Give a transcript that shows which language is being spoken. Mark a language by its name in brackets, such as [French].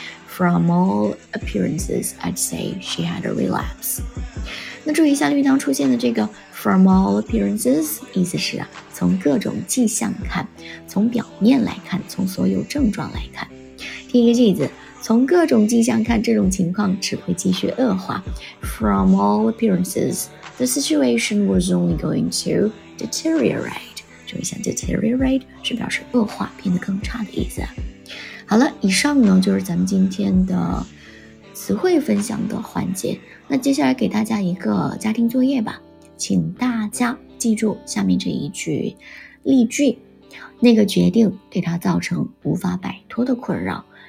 [English] From all appearances, I'd say she had a relapse. [Chinese] 那注意一下绿当出现的这个 [English] from all appearances, [Chinese] 意思是啊，从各种迹象看，从表面来看，从所有症状来看。听一个句子。从各种迹象看，这种情况只会继续恶化。 [English] From all appearances, the situation was only going to deteriorate. [Chinese] 注意一下 deteriorate 是表示恶化，变得更差的意思。好了，以上呢就是咱们今天的词汇分享的环节。那接下来给大家一个家庭作业吧，请大家记住下面这一句例句：那个决定对他造成无法摆脱的困扰。